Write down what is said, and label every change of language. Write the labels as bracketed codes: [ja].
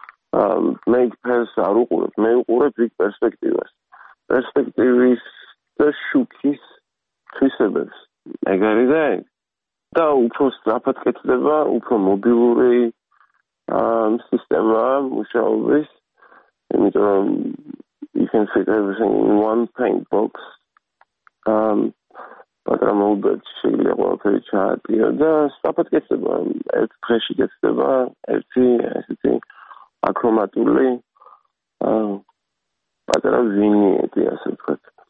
[ka] მე ფერს არ უყურებ, მე უყურებ ვიქ პერსპექტივას. პერსპექტივის და შუქის თვისებებს. ეგ არის და ეგ. და უფრო სწრაფად კეთდება, უფრო მობილური სისტემა მუშაობის. იმიტომ რომ [en] you can fit everything in one paint box. [ka] მაგრამ უბრალოდ შეიძლება ყველაფერი ჩააპირო და სწრაფად კეთდება. ერთ დღეში კეთდება ერთი ესეთი აქრომატული პატარა ზინიეტი, ასე ვთქვათ.